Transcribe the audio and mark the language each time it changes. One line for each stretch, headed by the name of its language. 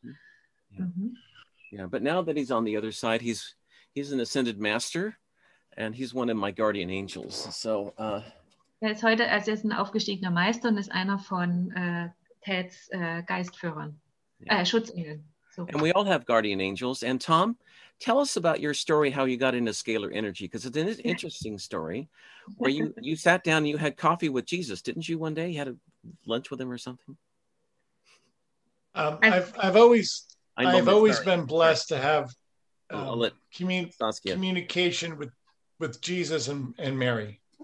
English: Yeah. Mm-hmm. Yeah, but now that he's on the other side, he's an ascended master, and he's one of my guardian angels. So.
German: Er ist heute, also er ist ein aufgestiegener Meister und ist einer von Ted's Geistführern, yeah. Schutzengeln.
English: So. And we all have guardian angels. And Tom, tell us about your story, how you got into Scalar Energy, because it's an interesting story where you sat down and you had coffee with Jesus, didn't you, one day? You had a lunch with him or something? I've always been blessed to have communication with Jesus and Mary.